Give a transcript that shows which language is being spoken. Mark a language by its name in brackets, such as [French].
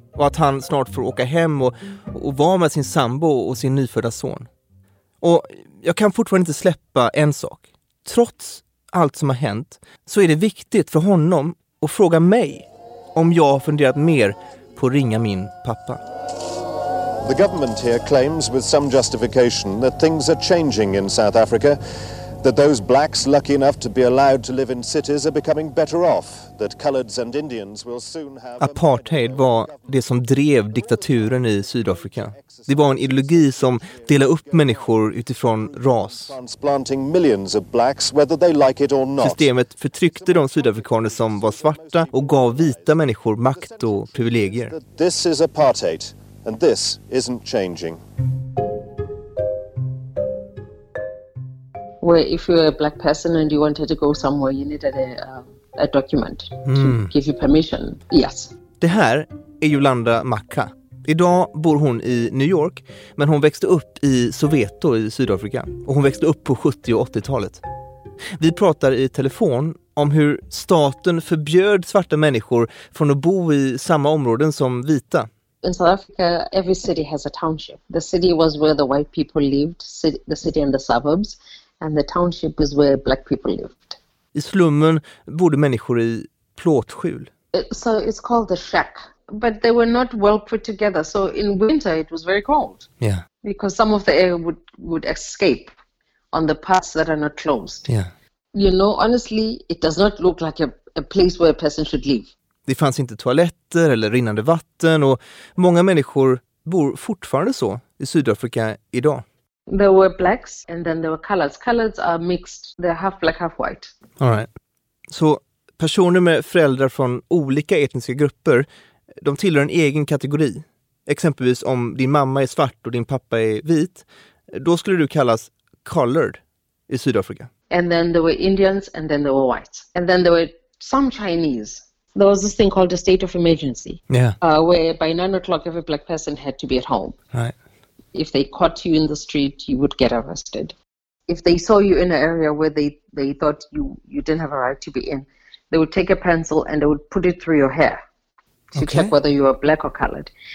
[Swedish] Och att han snart får åka hem och vara med sin sambo och sin nyfödda son. Och jag kan fortfarande inte släppa en sak. Trots allt som har hänt så är det viktigt för honom att fråga mig om jag har funderat mer på att ringa min pappa. [English] The government here claims with some justification that things are changing in South Africa. that those blacks lucky enough to be allowed to live in cities are becoming better off, that coloreds and Indians will soon have... [Swedish] Apartheid var det som drev diktaturen i Sydafrika. Det var en ideologi som delade upp människor utifrån ras. [English] Transplanting millions of blacks, whether they like it or not. [Swedish] Systemet förtryckte de sydafrikaner som var svarta och gav vita människor makt och privilegier. [English] This is apartheid, and this isn't changing. Where if you're a black person and you wanted to go somewhere, you needed a document to give you permission. Yes. [Swedish] Det här är Yolanda Makha. Idag bor hon i New York, men hon växte upp i Soweto i Sydafrika. Och hon växte upp på 70- och 80-talet. Vi pratar i telefon om hur staten förbjöd svarta människor från att bo i samma områden som vita. [English] In South Africa, every city has a township. The city was where the white people lived, the city and the suburbs. And the township is where black people lived. [Swedish] I slummen bodde människor i plåtskjul. [English] So it's called the shack. But they were not well put together. So in winter it was very cold. Yeah. Because some of the air would escape on the parts that are not closed. Yeah. You know, honestly, it does not look like a place where a person should live. [Swedish] Det fanns inte toaletter eller rinnande vatten. Och många människor bor fortfarande så i Sydafrika idag. [English] There were blacks and then there were coloreds. Coloreds are mixed. They're half black, half white. All right. [Swedish] Så personer med föräldrar från olika etniska grupper, de tillhör en egen kategori. Exempelvis om din mamma är svart och din pappa är vit, då skulle du kallas colored i Sydafrika. [English] And then there were Indians and then there were whites. And then there were some Chinese. There was this thing called a state of emergency. Yeah. Where by 9 o'clock every black person had to be at home. Right. If they caught you in the street, you would get arrested. If they saw you in an area where they thought you didn't have a right to be in, they would take a pencil and they would put it through your hair to check whether you are black or colored.